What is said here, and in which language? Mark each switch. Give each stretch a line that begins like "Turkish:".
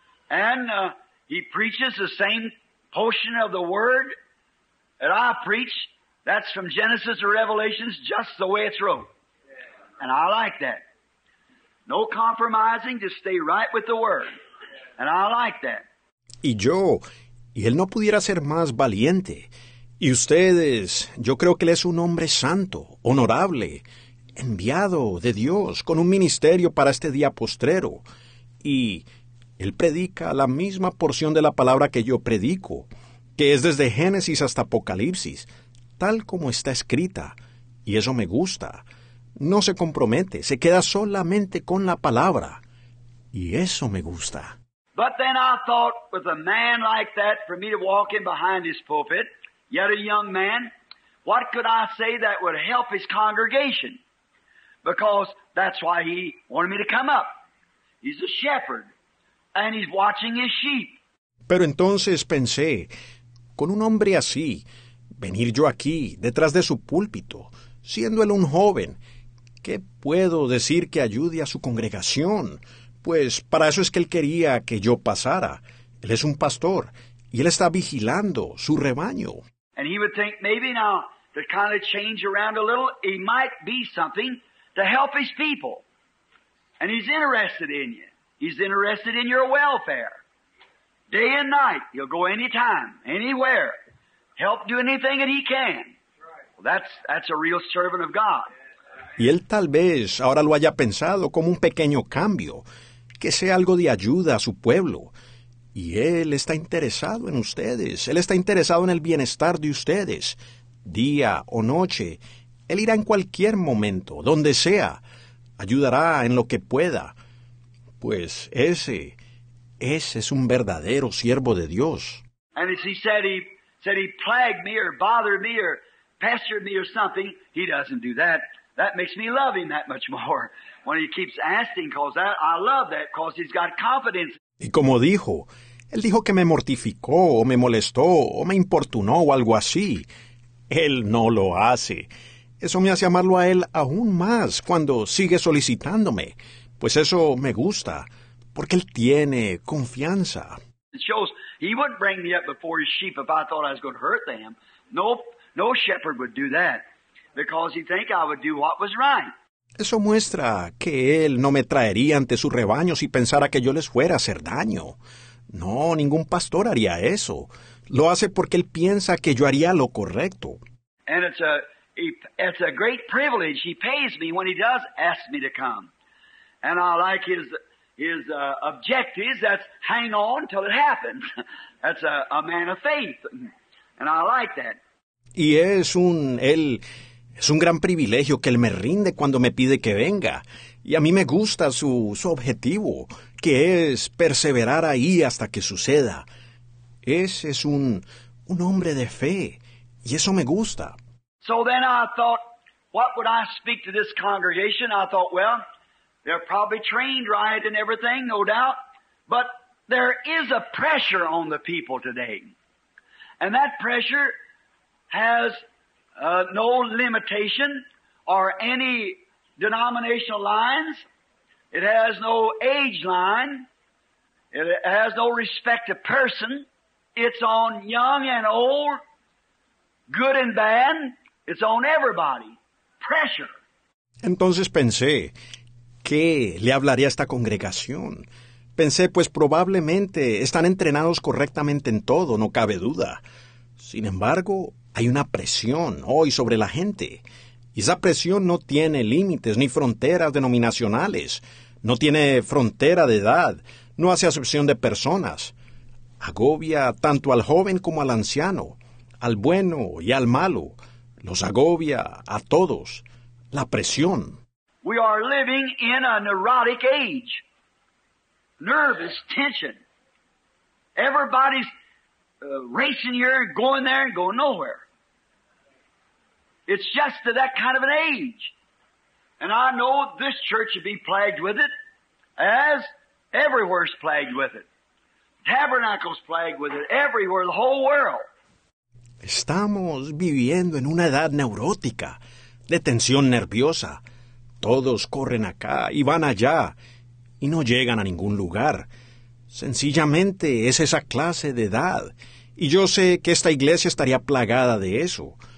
English: And he preaches the same portion of the word that I preach, that's from Genesis to Revelations, just the way it's wrote. And I like that. No compromising, just stay right with the word. And I like that.
Spanish: Y yo, y él no pudiera ser más valiente. Y ustedes, yo creo que él es un hombre santo, honorable, enviado de Dios con un ministerio para este día postrero. Y él predica la misma porción de la palabra que yo predico, que es desde Génesis hasta Apocalipsis, tal como está escrita. Y eso me gusta. No se compromete, se queda solamente con la palabra. Y eso me gusta.
English: But then I thought, with a man like that, for me to walk in behind his pulpit, yet a young man, what could I say that would help his congregation? Because that's why he wanted me to come up. He's a shepherd, and he's watching his sheep.
Spanish: Pero entonces pensé, con un hombre así, venir yo aquí, detrás de su púlpito, siendo él un joven, ¿qué puedo decir que ayude a su congregación? Pues para eso es que él quería que yo pasara. Él es un pastor y él está vigilando su rebaño.
English: And he would think maybe now to kind of change around a little, he might be something to help his people. And he's interested in you. He's interested in your welfare. Day and night, he'll go anytime, anywhere, help do anything that he can. Well, that's a real servant of God.
Spanish: Y él tal vez ahora lo haya pensado como un pequeño cambio, que sea algo de ayuda a su pueblo. Y él está interesado en ustedes. Él está interesado en el bienestar de ustedes, día o noche. Él irá en cualquier momento, donde sea. Ayudará en lo que pueda. Pues ese es un verdadero siervo de Dios.
English: And if he said he plagued me or bothered me or pestered me or something, he doesn't do that. That makes me love him that much more. When he keeps asking, because I love that, because he's got confidence.
Spanish: Y como dijo, él dijo que me mortificó, o me molestó, o me importunó, o algo así. Él no lo hace. Eso me hace amarlo a él aún más cuando sigue solicitándome. Pues eso me gusta, porque él tiene confianza.
English: It shows he wouldn't bring me up before his sheep if I thought I was going to hurt them. No shepherd would do that. Because he think I would do what was right.
Spanish: Eso muestra que él no me traería ante su rebaño si pensara que yo les fuera a hacer daño. No, ningún pastor haría eso. Lo hace porque él piensa que yo haría lo correcto.
English: And it's a great privilege. He pays me when he does ask me to come. And I like his objectives. That's hang on till it happens. That's a man of faith. And I like that.
Spanish: Y es un gran privilegio que él me rinde cuando me pide que venga. Y a mí me gusta su objetivo, que es perseverar ahí hasta que suceda. Ese es un hombre de fe, y eso me gusta.
English: So then I thought, what would I speak to this congregation? I thought, well, they're probably trained right and everything, no doubt. But there is a pressure on the people today. And that pressure has no limitation or any denominational lines. It has no age line. It has no respect to person. It's on young and old, good and bad. It's on everybody. Pressure.
Spanish: Entonces pensé, ¿qué le hablaría a esta congregación? Pensé, pues probablemente están entrenados correctamente en todo, no cabe duda. Sin embargo, hay una presión hoy sobre la gente, y esa presión no tiene límites ni fronteras denominacionales, no tiene frontera de edad, no hace acepción de personas. Agobia tanto al joven como al anciano, al bueno y al malo. Los agobia a todos. La presión.
English: We are living in a neurotic age. Nervous tension. Everybody's racing here and going there and going nowhere. It's just to that kind of an age. And I know this church would be plagued with it, as everywhere's plagued with it. Tabernacle's plagued with it, everywhere, the whole world.
Spanish: Estamos viviendo en una edad neurótica, de tensión nerviosa. Todos corren acá y van allá, y no llegan a ningún lugar. Sencillamente es esa clase de edad. Y yo sé que esta iglesia estaría plagada de eso.